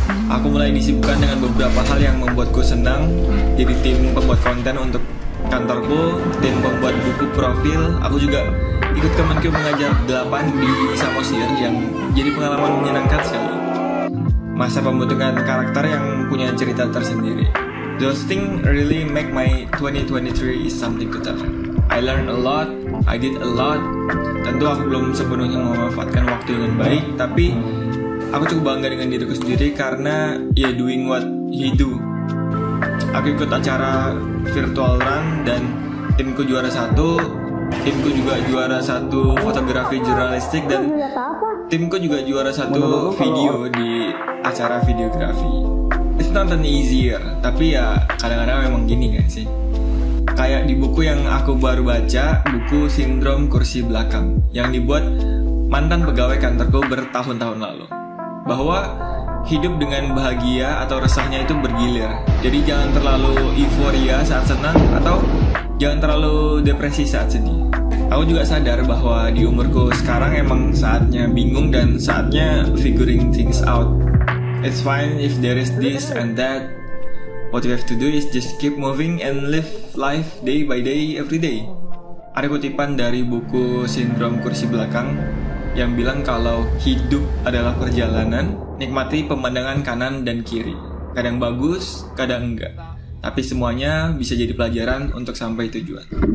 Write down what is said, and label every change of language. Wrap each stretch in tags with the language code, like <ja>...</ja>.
<id>Aku mulai disibukkan dengan beberapa hal yang membuatku senang, jadi tim pembuat konten untuk kantorku, tim pembuat buku profil. Aku juga ikut temanku mengajar 8 di Samosir yang jadi pengalaman menyenangkan sekali. Masa pembentukan karakter yang punya cerita tersendiri.</id> <en>Those things really make my 2023 is something to tell. I learned a lot, I did a lot.</en> <id>Tentu aku belum sepenuhnya memanfaatkan waktu dengan baik, tapi aku cukup bangga dengan diriku sendiri karena ya</id> <en>doing what he do.</en> <id>Aku ikut acara virtual run dan timku juara satu. Timku juga juara satu fotografi jurnalistik dan timku juga juara satu video di acara videografi.</id> <en>It's not an easy year,</en> <id>tapi ya kadang-kadang memang gini kan sih. Kayak di buku yang aku baru baca, buku Sindrom Kursi Belakang yang dibuat mantan pegawai kantorku bertahun-tahun lalu. Bahwa hidup dengan bahagia atau resahnya itu bergilir. Jadi jangan terlalu euforia saat senang atau jangan terlalu depresi saat sedih. Aku juga sadar bahwa di umurku sekarang emang saatnya bingung dan saatnya</id> <en>figuring things out. It's fine if there is this and that. What we have to do is just keep moving and live life day by day every day.</en> <id>Ada kutipan dari buku Sindrom Kursi Belakang yang bilang kalau hidup adalah perjalanan, nikmati pemandangan kanan dan kiri. Kadang bagus, kadang enggak. Tapi semuanya bisa jadi pelajaran untuk sampai tujuan.</id>